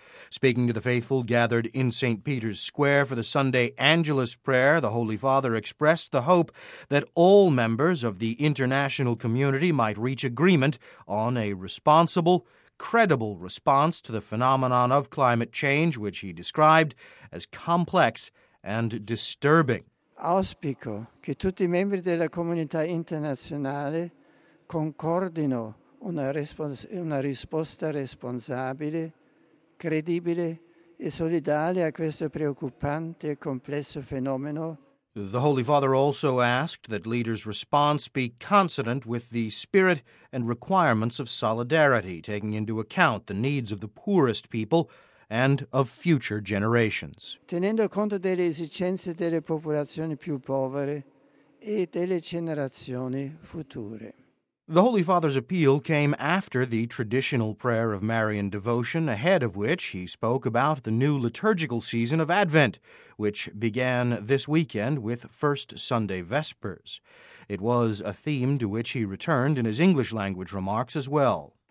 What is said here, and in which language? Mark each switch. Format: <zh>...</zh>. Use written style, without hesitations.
<en>Speaking to the faithful gathered in St. Peter's Square for the Sunday Angelus prayer, the Holy Father expressed the hope that all members of the international community might reach agreement on a responsible, credible response to the phenomenon of climate change, which he described as complex and disturbing.</en> <it>Auspico che tutti i membri della comunità internazionale concordino una risposta responsabile, credibile e solidale a questo preoccupante e complesso fenomeno.</it> <en>The Holy Father also asked that leaders' response be consonant with the spirit and requirements of solidarity, taking into account the needs of the poorest people and of future generations.</en> <it>Tenendo conto delle esigenze delle popolazioni più povere e delle generazioni future.</it> <en>The Holy Father's appeal came after the traditional prayer of Marian devotion, ahead of which he spoke about the new liturgical season of Advent, which began this weekend with First Sunday Vespers. It was a theme to which he returned in his English language remarks as well.</en>